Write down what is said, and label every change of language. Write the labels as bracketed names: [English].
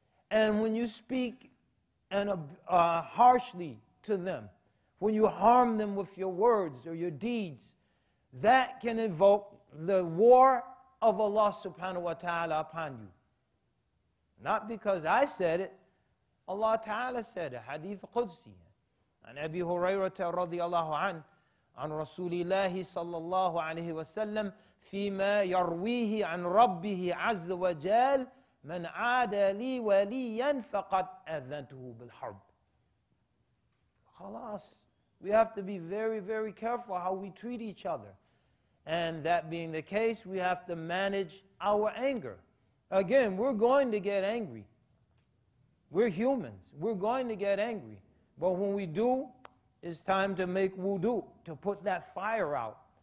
[English] And when you speak harshly to them, when you harm them with your words or your deeds, that can invoke the war of Allah subhanahu wa ta'ala upon you. Not because I said it, Allah ta'ala said it, Hadith Qudsi. And Abi Hurairah radiallahu anhu, [Arabic] عن رسول الله صلى الله عليه وسلم فيما يرويه عن ربه عز وجل من عادى لي وليا فقد أذنته بالحرب. خلاص. [English] We have to be very, very careful how we treat each other. And that being the case, we have to manage our anger. Again, we're going to get angry. We're humans. We're going to get angry. But when we do, it's time to make wudu, to put that fire out.